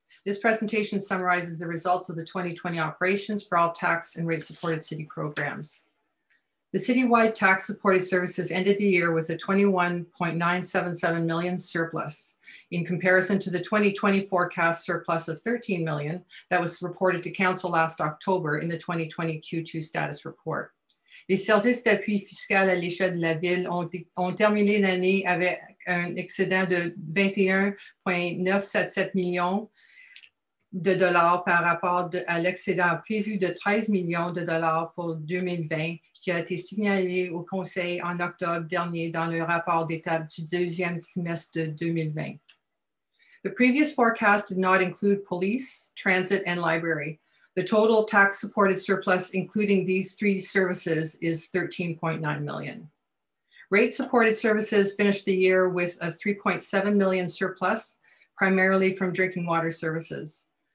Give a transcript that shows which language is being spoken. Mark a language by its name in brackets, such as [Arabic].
[English] This presentation summarizes the results of the 2020 operations for all tax and rate-supported city programs. The citywide tax-supported services ended the year with a $21.977 million surplus in comparison to the 2020 forecast surplus of $13 million that was reported to Council last October in the 2020 Q2 status report. [French] Les services d'appui fiscal à l'échelle de la ville ont terminé l'année avec un excédent de $21.977 million de dollars par rapport à l'excédent prévu de $13 million de dollars pour 2020 qui a été signalé au Conseil en octobre dernier dans le rapport d'étape du deuxième trimestre de 2020. [English] The previous forecast did not include police, transit, and library. The total tax-supported surplus, including these three services, is $13.9 million. Rate-supported services finished the year with a $3.7 million surplus, primarily from drinking water services.